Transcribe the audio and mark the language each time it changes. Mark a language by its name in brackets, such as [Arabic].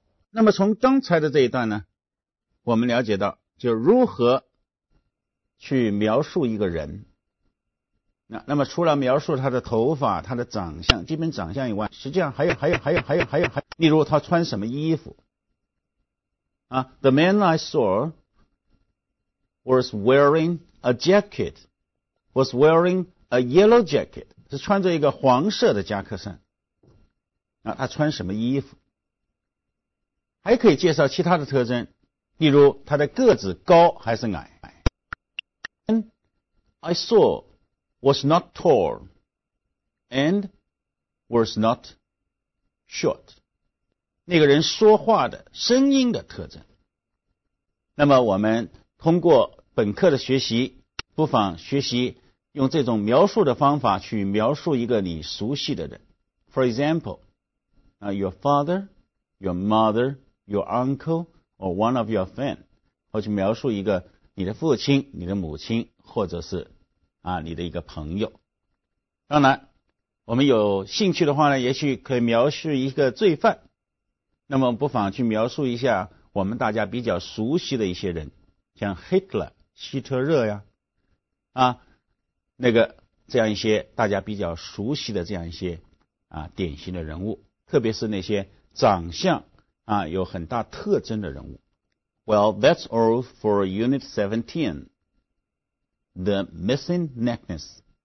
[Chinese] 那么从刚才的这一段呢我们了解到就如何去描述一个人。那么除了描述他的头发他的长相基本长相以外实际上还有例如他穿什么衣服。 [English] The man I saw was wearing a yellow jacket, [Chinese] 是穿着一个黄色的夹克衫。他穿什么衣服还可以介绍其他的特征例如他的个子高还是矮 [English] And I saw was not tall and was not short [Chinese] 那个人说话的声音的特征那么我们通过本课的学习不妨学习用这种描述的方法去描述一个你熟悉的人 [English] For example,Your father, your mother, your uncle, or one of your friends. [Chinese] 或者描述一个你的父亲、你的母亲，或者是你的一个朋友。当然，我们有兴趣的话呢，也许可以描述一个罪犯。那么不妨去描述一下我们大家比较熟悉的一些人，像 Hitler, 希特勒呀，那个这样一些大家比较熟悉的这样一些典型的人物。特别是那些长相有很大特征的人物。 [English] Well, that's all for Unit 17, The Missing Necklace.